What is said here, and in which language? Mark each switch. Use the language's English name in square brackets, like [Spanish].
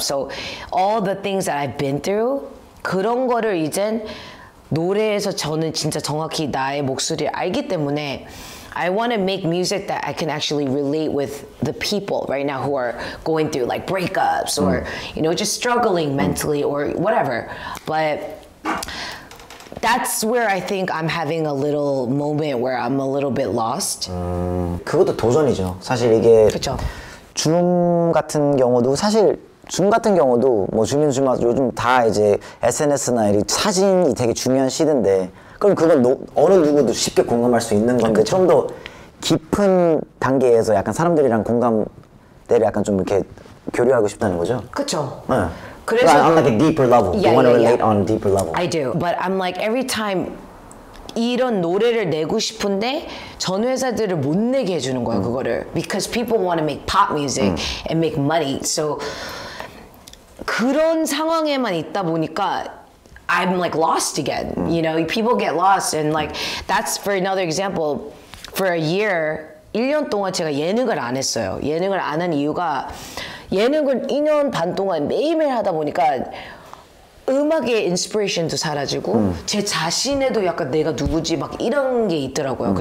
[English] So all the things that I've been through, [Korean] 그런 거를 이젠 노래에서 저는 진짜 정확히 나의 목소리를 알기 때문에 [English] I want to make music that I can actually relate with the people right now who are going through like breakups or you know just struggling mentally or whatever. But that's where I think I'm having a little moment where I'm a little bit lost. [Korean] 그것도 도전이죠. 사실 이게 그쵸. 줌 같은 경우도 사실 줌 같은 경우도 뭐 줌이나 줌 요즘 다 이제 SNS나 이 사진이 되게 중요한 시대인데 그럼 그건 어느 누구도 쉽게 공감할 수 있는 건데 좀 더 깊은 단계에서 약간 사람들이랑 공감대를 약간 좀 이렇게 교류하고 싶다는 거죠. 그렇죠. [English] 네. 그래서 on like a deeper level. Yeah, you want to yeah, relate yeah. on a deeper level. I do. But I'm like every time [Korean] 이런 노래를 내고 싶은데 전 회사들을 못 내게 해주는 거야 그거를 [English] because people want to make pop music and make money. So [Korean] 그런 상황에만 있다 보니까 [English] I'm like lost again. You know, people get lost and like that's for another example. For a year, [Korean] 1년 동안 제가 예능을 안 했어요. 예능을 안 한 이유가 예능을 2년 반 동안 매일매일 하다 보니까 음악의 인스피레이션도 사라지고 제 자신에도 약간 내가 누구지 막 이런 게 있더라고요.